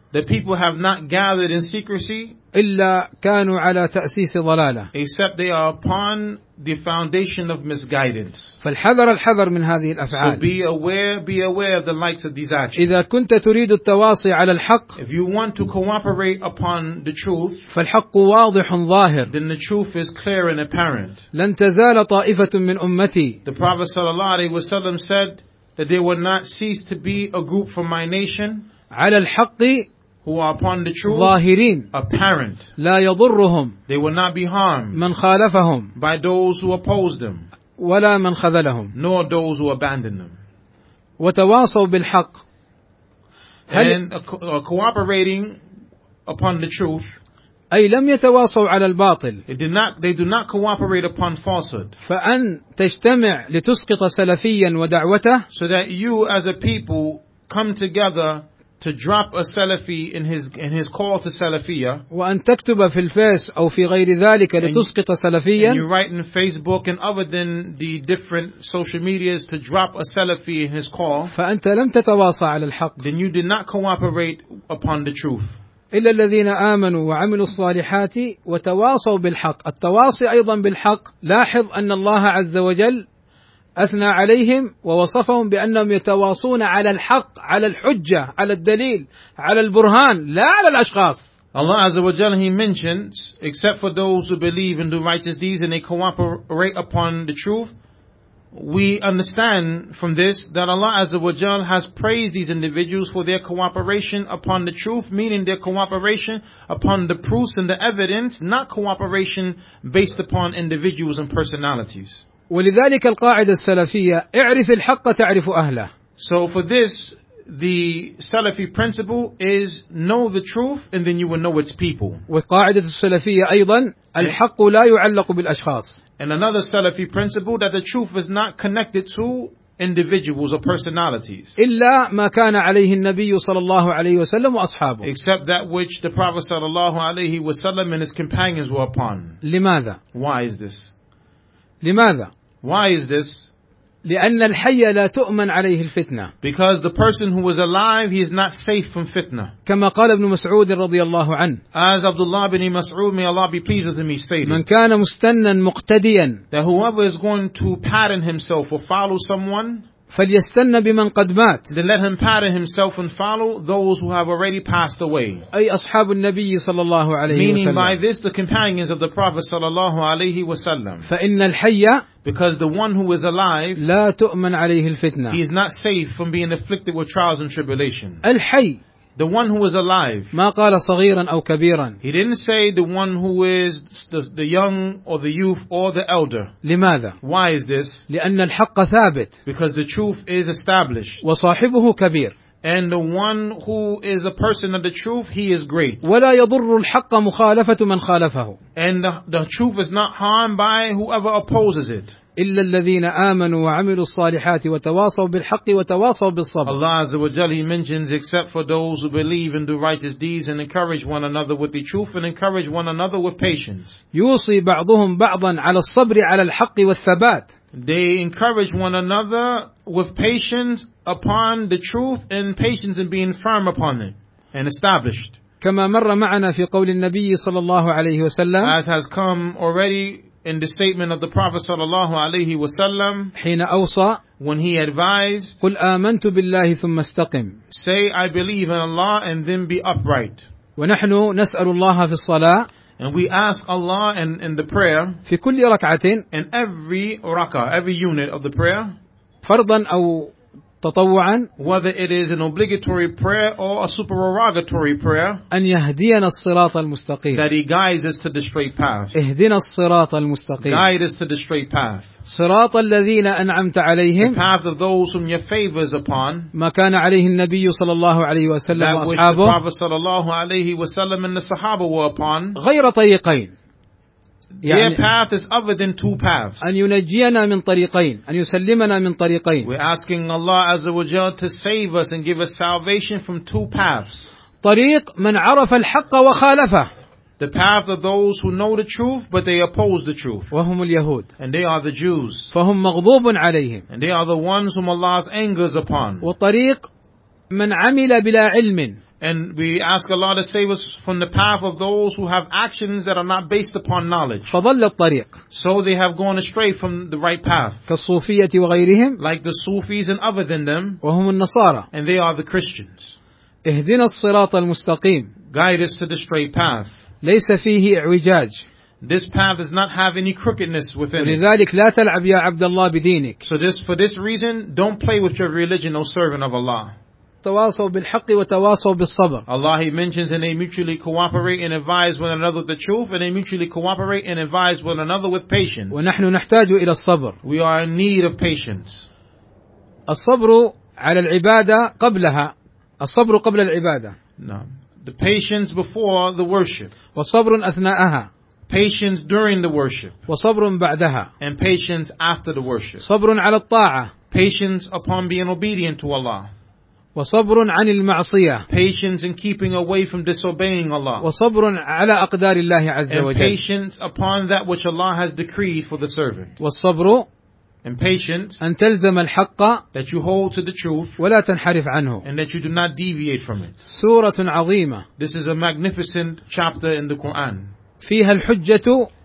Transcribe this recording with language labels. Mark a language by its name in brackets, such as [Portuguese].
[English] The people have not gathered in secrecy. [Arabic] إلا كانوا على تأسيس ضلالة. [English] Except they are upon the foundation of misguidance. [Arabic] فالحذر الحذر من هذه الأفعال. [English] So be aware of the likes of these actions. [Arabic] إذا كنت تريد التواصي على الحق. [English] If you want to cooperate upon the truth. [Arabic] فالحق واضح ظاهر. [English] Then the truth is clear and apparent. [Arabic] لن تزال طائفة من أمتي. [English] The Prophet صلى الله عليه وسلم said that they will not cease to be a group from my nation. [Arabic] على الحق. [English] Who are upon the truth, [Arabic] ظاهرين, [English] apparent. [Arabic] لا يضرهم. [English] They will not be harmed. [Arabic] من خالفهم. [English] By those who oppose them. [Arabic] ولا من خذلهم. [English] Nor those who abandon them. [Arabic] وتواصوا بالحق. [English] And cooperating upon the truth. [Arabic] أي لم يتواصوا على الباطل. [English] They do not cooperate upon falsehood. [Arabic] فأن تجتمع لتسقط سلفيا ودعوته. [English] So that you as a people come together. To drop a Salafi in his call to Salafiyya. [Arabic] وأن تكتب في الفيس أو في غير ذلك لتسقط سلفيا. [English] And you write in Facebook and other than the different social medias to drop a Salafi in his call. [Arabic] فأنت لم تتواصى على الحق. [English] Then you did not cooperate upon the truth. [Arabic] إلا الذين آمنوا وعملوا الصالحات وتواصوا بالحق. التواصي أيضا بالحق. لاحظ أن الله عز وجل أثنى عليهم ووصفهم بأنهم يتواصون على الحق على الحجة على الدليل على البرهان لا على الأشخاص [English] Allah عز وجل he mentions except for those who believe and do righteous deeds and they cooperate upon the truth we understand from this that Allah عز وجل has praised these individuals for their cooperation upon the truth meaning their cooperation upon the proofs and the evidence not cooperation based upon individuals and personalities [Arabic] ولذلك القاعدة السلفية اعرف الحق تعرف أهله [English] So for this the Salafi principle is know the truth and then you will know its people. [Arabic] وقاعدة السلفية أيضا الحق لا يعلق بالأشخاص. [English] And another Salafi principle that the truth is not connected to individuals or personalities. [Arabic] إلا ما كان عليه النبي صلى الله عليه وسلم وأصحابه. [English] Except that which the Prophet صلى الله عليه وسلم and his companions were upon. [Arabic] لماذا? [English] Why is this? [Arabic] لماذا? [English] Why is this? [Arabic] لأن الحي لا تؤمن عليه الفتنة. [English] Because the person who was alive, he is not safe from fitna. [Arabic] كما قال ابن مسعود رضي الله عنه. [English] As Abdullah bin Mas'ud, may Allah be pleased with him, he stated. [Arabic] من كان مستنا مقتديا. [English] That whoever is going to pattern himself or follow someone. [Arabic] فليستن بمن قد مات. [English] Then let him pattern himself and follow those who have already passed away. [Arabic] أي أصحاب النبي صلى الله عليه [English] Meaning [Arabic] وسلم. [English] Meaning by this the companions of the Prophet صلى الله عليه وسلم. [Arabic] فإن الحي [English] Because the one who is alive, [Arabic] لا تؤمن عليه الفتنة. [English] He is not safe from being afflicted with trials and tribulation. [Arabic] الحي [English] The one who is alive. [Arabic] ما قال صغيرا أو كبيرا. [English] He didn't say the one who is the young or the youth or the elder. [Arabic] لماذا? [English] Why is this? [Arabic] لأن الحق ثابت. [English] Because the truth is established. [Arabic] وصاحبه كبير. [English] And the one who is a person of the truth, he is great. [Arabic] ولا يضر الحق مخالفة من خالفه. [English] And the truth is not harmed by whoever opposes it. [Arabic] إلا الذين آمنوا وعملوا الصالحات وتواصوا بالحق وتواصوا بالصبر. [English] Allah Azza wa Jalla, He mentions, except for those who believe and do righteous deeds and encourage one another with the truth and encourage one another with patience. [Arabic] يوصي بعضهم بعضا على الصبر على الحق والثبات. [English] They encourage one another with patience upon the truth and patience in being firm upon it and established. [Arabic] كما مر معنا في قول النبي صلى الله عليه وسلم. [English] As has come already. In the statement of the Prophet sallallahu alayhi wa sallam, [Arabic] حين أوصى, [English] when he advised, [Arabic] قل آمنت بالله ثم استقم. [English] Say, I believe in Allah and then be upright. [Arabic] ونحن نسأل الله في الصلاة, [English] and we ask Allah in the prayer, [Arabic] في كل ركعة, [English] in every rakah, every unit of the prayer, [Arabic] فرضا أو تطوعا, [English] whether it is an obligatory prayer or a supererogatory prayer, [Arabic] أن يهدينا الصراط المستقيم, [English] that he guides us to the straight path. [Arabic] اهدنا الصراط المستقيم, [English] guide us to the straight path. [Arabic] صراط الذين أنعمت عليهم, [English] the path of those whom your favors upon. [Arabic] ما كان عليه النبي صلى الله عليه وسلم [English] that [Arabic] وأصحابه, [English] that which the Prophet صلى الله عليه وسلم and the Sahaba were upon. [Arabic] غير طريقين. [English] Their يعني path is other than two paths. [Arabic] أن ينجينا من طريقين, أن يسلمنا من طريقين. [English] We're asking Allah Azza wa Jalla to save us and give us salvation from two paths. [Arabic] طريق من عرف الحق وخالفه. [English] The path of those who know the truth but they oppose the truth. [Arabic] وهم اليهود. [English] And they are the Jews. [Arabic] فهم مغضوب عليهم. [English] And they are the ones whom Allah's anger is upon. [Arabic] وطريق من عمل بلا علم. [English] And we ask Allah to save us from the path of those who have actions that are not based upon knowledge. [Arabic] فضل الطريق. [English] So they have gone astray from the right path. [Arabic] كالصوفية وغيرهم. [English] Like the Sufis and other than them. [Arabic] وهم النصارى. [English] And they are the Christians. [Arabic] اهدنا الصراط المستقيم. [English] Guide us to the straight path. [Arabic] ليس فيه اعوجاج. [English] This path does not have any crookedness within it. [Arabic] لذلك لا تلعب يا عبد الله بدينك. [English] So this, for this reason, don't play with your religion, O servant of Allah. [Arabic] تواصوا بالحق وتواصوا بالصبر. [English] Allah He mentions and they mutually cooperate and advise one another with the truth and they mutually cooperate and advise one another with patience. [Arabic] ونحن نحتاج إلى الصبر. [English] We are in need of patience. [Arabic] الصبر على العبادة قبلها. الصبر قبل العبادة. [English] No. The patience before the worship. [Arabic] وصبر أثناءها. [English] Patience during the worship. [Arabic] وصبر بعدها. [English] And patience after the worship. [Arabic] صبر على الطاعة. [English] Patience upon being obedient to Allah. [Arabic] وصبر عن المعصية. [English] Patience in keeping away from disobeying Allah. [Arabic] وصبر على أقدار الله عز وجل. [English] And patience upon that which Allah has decreed for the servant. [Arabic] والصبر. [English] And patience. [Arabic] أن تلزم الحق. [English] That you hold to the truth. [Arabic] ولا تنحرف عنه. [English] And that you do not deviate from it. [Arabic] سورة عظيمة. [English] This is a magnificent chapter in the Quran. [Arabic] فيها الحجة.